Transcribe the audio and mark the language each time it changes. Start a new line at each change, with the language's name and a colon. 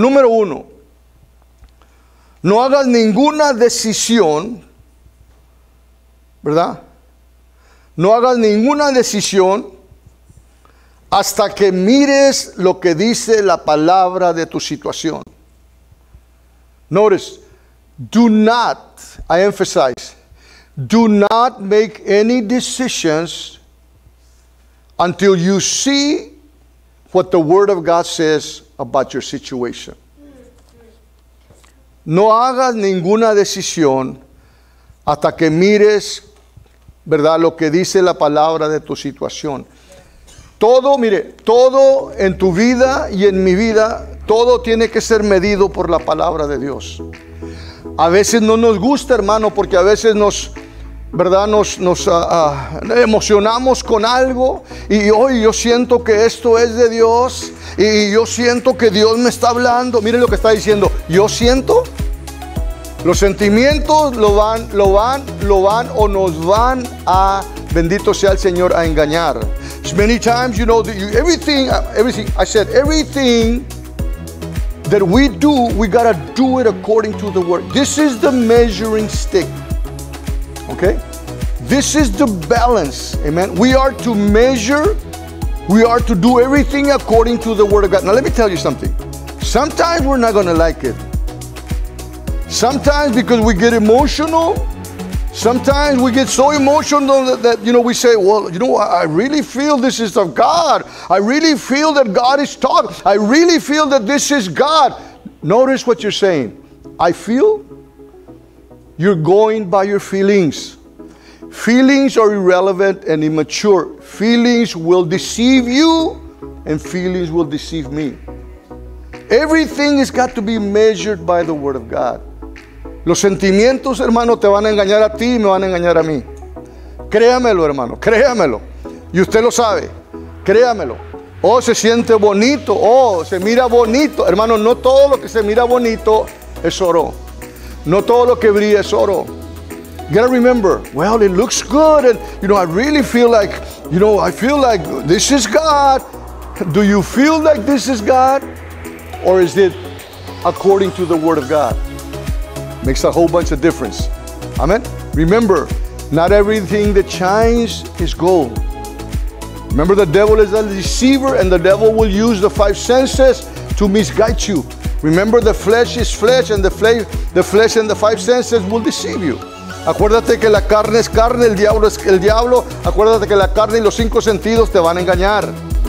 Spanish: Número uno, no hagas ninguna decisión, ¿verdad? No hagas ninguna decisión hasta que mires lo que dice la palabra de tu situación.
English: Notice, do not, I emphasize, do not make any decisions until you see what the Word of God says about your situation.
Spanish: No hagas ninguna decisión hasta que mires, ¿verdad?, lo que dice la palabra de tu situación. Todo, mire, todo en tu vida y en mi vida, todo tiene que ser medido por la palabra de Dios. A veces no nos gusta, hermano, porque a veces nos, ¿verdad?, nos emocionamos con algo y hoy yo siento que esto es de Dios y yo siento que Dios me está hablando. Mire lo que está diciendo, yo siento. Los sentimientos lo van o nos van a, bendito sea el Señor, a engañar.
English: Many times, you know, everything I said, everything that we do, we gotta do it according to the word. This is the measuring stick. Okay? This is the balance. Amen. We are to measure. We are to do everything according to the word of God. Now let me tell you something. Sometimes we're not gonna like it. Sometimes because we get emotional. Sometimes we get so emotional that you know, we say, well, you know, I really feel this is of God. I really feel that God is talking. I really feel that this is God. Notice what you're saying. I feel. You're going by your feelings. Feelings are irrelevant and immature. Feelings will deceive you, and feelings will deceive me. Everything has got to be measured by the word of God.
Spanish: Los sentimientos, hermano, te van a engañar a ti y me van a engañar a mí. Créamelo, hermano, créamelo. Y usted lo sabe, créamelo. Oh, se siente bonito, oh, se mira bonito. Hermano, no todo lo que se mira bonito es oro. No todo lo que brilla es oro.
English: You gotta remember, well, it looks good. And, you know, I really feel like, you know, I feel like this is God. Do you feel like this is God? Or is it according to the word of God? Makes a whole bunch of difference. Amen. Remember, not everything that shines is gold. Remember, the devil is a deceiver, and the devil will use the five senses to misguide you. Remember, the flesh is flesh, and the flesh and the five senses will deceive you.
Spanish: Acuérdate que la carne es carne, el diablo es el diablo. Acuérdate que la carne y los cinco sentidos te van a engañar.